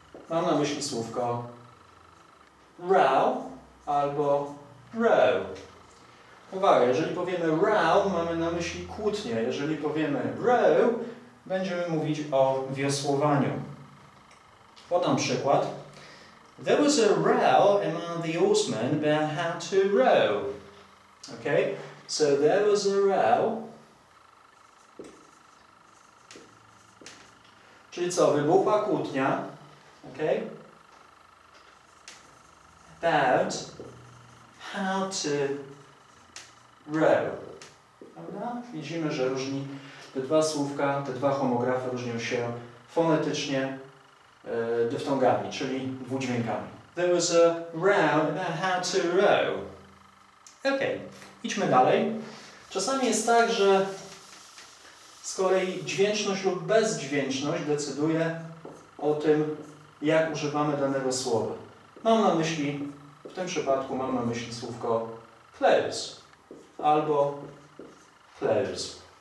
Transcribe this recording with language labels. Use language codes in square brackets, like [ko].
[pl] Mam na myśli słówko row albo row. Uwaga, jeżeli powiemy row, mamy na myśli kłótnię. Jeżeli powiemy row, będziemy mówić o wiosłowaniu. Podam przykład. [en] There was a row among the oarsmen about how to row. Okay? So there was a row. [pl] Czyli co? Wybuchła kłótnia. Okay? [en] About how to row. [pl] Prawda? Widzimy, że różni te dwa słówka, te dwa homografy różnią się fonetycznie dyftongami, czyli dwudźwiękami. [en] There was a row about how to row. [pl] Ok, idźmy dalej. Czasami jest tak, że z kolei dźwięczność lub bezdźwięczność decyduje o tym, jak używamy danego słowa. Mam na myśli, w tym przypadku mam na myśli słówko close albo close.